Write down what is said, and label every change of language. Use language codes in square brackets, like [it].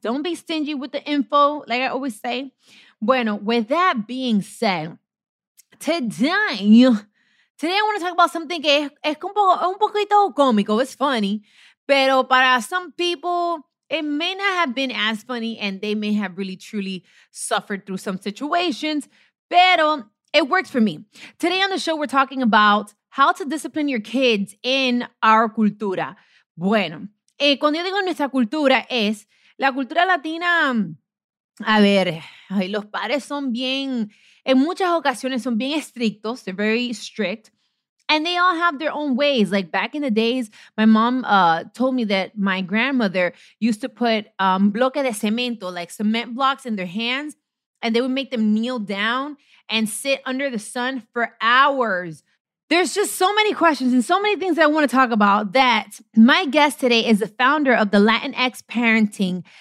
[en] Don't be stingy with the info, like I always say. Bueno, with that being said, today I want to talk about something [es] que es un poquito cómico, [en] it's funny. [es] Pero para [en] some people, it may not have been as funny and they may have really truly suffered through some situations, pero it works for me. Today on the show, we're talking about how to discipline your kids in our cultura. [es] Bueno, cuando yo digo nuestra cultura es la cultura latina, a ver, ay, los padres son bien, en muchas ocasiones son bien estrictos, [en] they're very strict. And they all have their own ways. Like back in the days, my mom told me that my grandmother used to put [es] bloque de cemento, [en] like cement blocks in their hands, and they would make them kneel down and sit under the sun for hours. There's just so many questions and so many things that I want to talk about that my guest today is the founder of the Latinx Parenting.